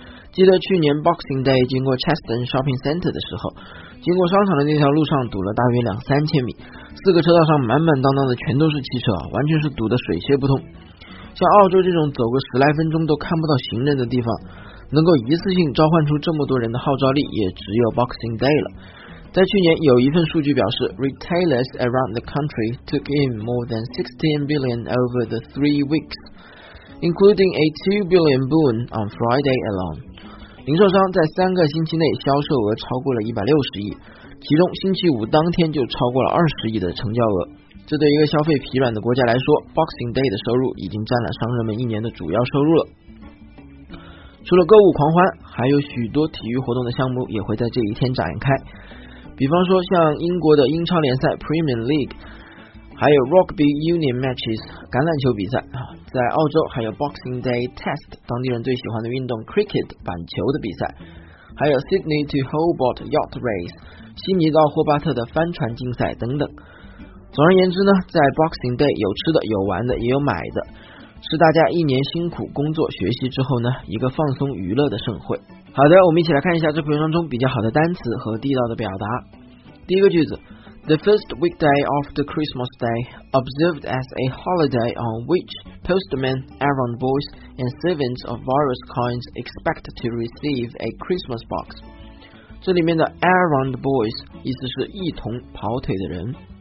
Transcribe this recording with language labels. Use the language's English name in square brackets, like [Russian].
[Chinese] 记得去年 Boxing Day 经过 Chesterton Shopping Center 的时候，经过商场的那条路上堵了大约2-3千米，四个车道上满满当当的全都是汽车，完全是堵得水泄不通。像澳洲这种走个10来分钟都看不到行人的地方，能够一次性召唤出这么多人的号召力也只有 Boxing Day 了。在去年有一份数据表示， [English] Retailers around the country took in more than $16 billion over the 3 weeks, including a $2 billion boon on Friday alone. [Chinese] 零售商在3个星期内销售额超过了160亿，其中星期五当天就超过了20亿的成交额。这对一个消费疲软的国家来说， Boxing Day 的收入已经占了商人们一年的主要收入了。除了购物狂欢，还有许多体育活动的项目也会在这一天展开，比方说像英国的英超联赛 Premier League, 还有 Rugby Union Matches 橄榄球比赛。在澳洲还有 Boxing Day Test 当地人最喜欢的运动 Cricket 板球的比赛，还有 Sydney to Hobart Yacht Race 悉尼到霍巴特的帆船竞赛等等。总而言之呢，在 Boxing Day 有吃的，有玩的，也有买的，是大家一年辛苦工作学习之后呢一个放松娱乐的盛会。好的，我们一起来看一下这篇文章中比较好的单词和地道的表达。第一个句子， [English] The first weekday of the Christmas day, observed as a holiday on which postmen, errand boys, and servants of various kinds expect to receive a Christmas box. [Chinese] 这里面的 errand boys 意思是一同跑腿的人。